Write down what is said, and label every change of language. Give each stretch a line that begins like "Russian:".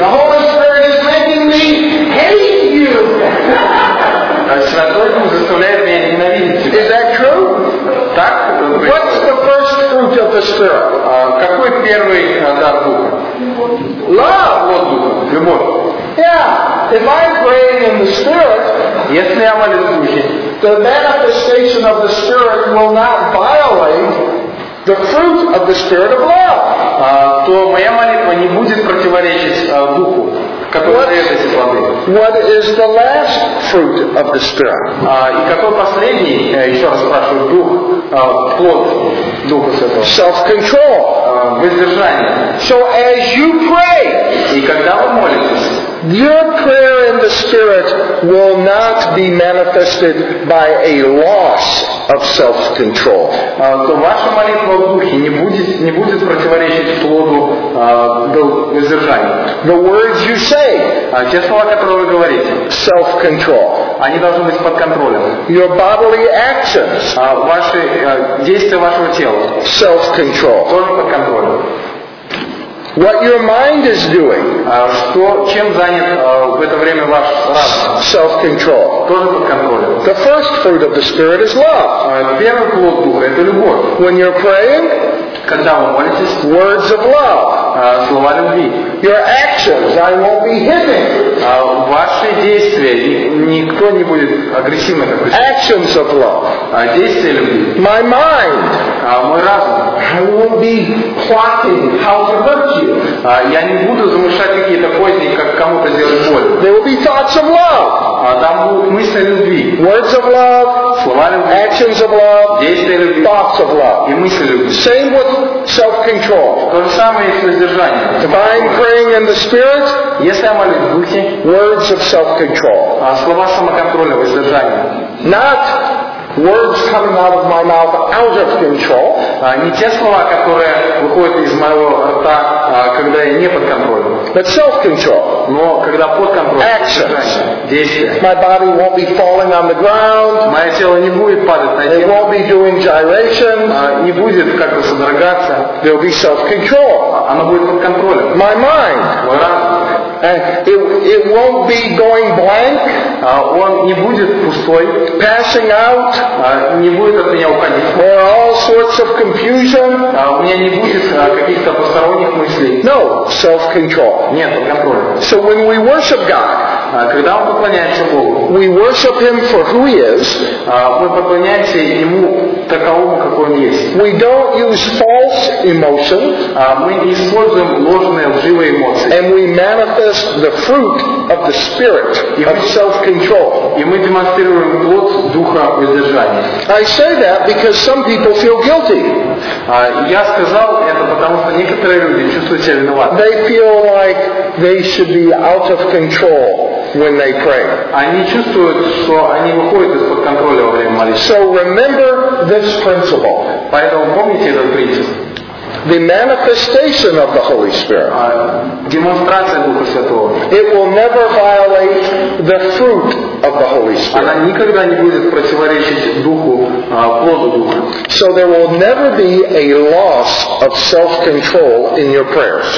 English: The Holy Spirit is making me hate you.
Russian: Святой Дух заставляет меня ненавидеть тебя.
English: Is that true?
Russian: Так.
English: What's the first fruit of the Spirit?
Russian: Какой первый дар Духа?
English: Love.
Russian: Вот Духа. Любовь.
English: Yeah, if I'm praying in the Spirit,
Russian: если я молюсь в Духе,
English: the manifestation of the Spirit will not violate the fruit of the Spirit of love.
Russian: То моя молитва не будет противоречить Духу, который дает эти плоды.
English: What is the last fruit of the Spirit?
Russian: И какой последний, еще раз спрашиваю, Дух, плод Духа Святого?
English: Self-control.
Russian: Воздержание.
English: So as you pray,
Russian: и когда вы молитесь,
English: your prayer in the Spirit will not be manifested by a loss of self-control.
Russian: То ваша молитва в Духе не будет противоречить плоду воздержания.
English: The words you say,
Russian: те слова, которые вы говорите,
English: self-control,
Russian: они должны быть под контролем.
English: Your bodily actions,
Russian: ваши действия вашего тела,
English: self-control,
Russian: тоже под контролем.
English: What your mind is doing,
Russian: чем занят в это время ваш разум,
English: self-control,
Russian: тоже под контролем.
English: The first fruit of the Spirit is love.
Russian: Первый плод Духа — это любовь.
English: When you're praying,
Russian: когда вы молитесь,
English: words of love,
Russian: слова любви.
English: Your actions, I won't be hidden.
Russian: Ваши действия, никто не будет агрессивно.
English: Actions of love,
Russian: действия любви.
English: My mind,
Russian: мой разум.
English: I won't be plotting how to hurt you.
Russian: Я не буду замышлять какие-то козни, как кому-то сделать боль.
English: There will be thoughts of love.
Russian: Там будут мысли любви.
English: Words of love.
Russian: Слова любви.
English: Actions of love.
Russian: Действия любви.
English: Thoughts of love.
Russian: И мысли любви.
English: Same with self-control.
Russian: То же самое и с воздержанием.
English: If I'm praying in the Spirit,
Russian: если я молюсь в духе,
English: words of self-control.
Russian: Слова самоконтроля, воздержания.
English: Not words coming out of my mouth out of control.
Russian: Не те слова, которые выходят из моего рта, когда я не под контролем.
English: But self-control.
Russian: Но когда под контролем.
English: Actions.
Russian: Действия.
English: My body won't be falling on the ground.
Russian: Мое тело не будет падать на землю.
English: It won't be doing gyrations.
Russian: Не будет как-то содрогаться.
English: There will be self-control.
Russian: Оно будет под контролем.
English: My mind.
Russian: Мой разум.
English: It won't be going blank.
Russian: Он не будет пустой.
English: Passing out.
Russian: Не будет от меня уходить.
English: Or all sorts of confusion.
Russian: У меня не будет каких-то посторонних мыслей.
English: No, self-control.
Russian: Нет, контроль.
English: So when we worship God,
Russian: когда мы поклоняемся Богу,
English: we worship Him for who He is.
Russian: Мы поклоняемся Ему таковому, какой Он есть.
English: We don't use false emotions.
Russian: Мы не используем ложные, лживые эмоции.
English: And we manifest the fruit of the Spirit of self-control.
Russian: И мы демонстрируем плод духа воздержания.
English: I say that because some people feel guilty.
Russian: Я сказал это потому, что некоторые люди чувствуют себя виноватыми.
English: They feel like they should be out of control when they pray.
Russian: Они чувствуют, что они выходят из-под контроля во время молитвы.
English: So remember this principle.
Russian: Поэтому помните этот принцип.
English: The manifestation of the Holy Spirit.
Russian: Демонстрация Духа Святого.
English: It will never violate the fruit of the Holy Spirit.
Russian: Она никогда не будет противоречить духу, плоду духа.
English: So there will never be a loss of self-control in your prayers.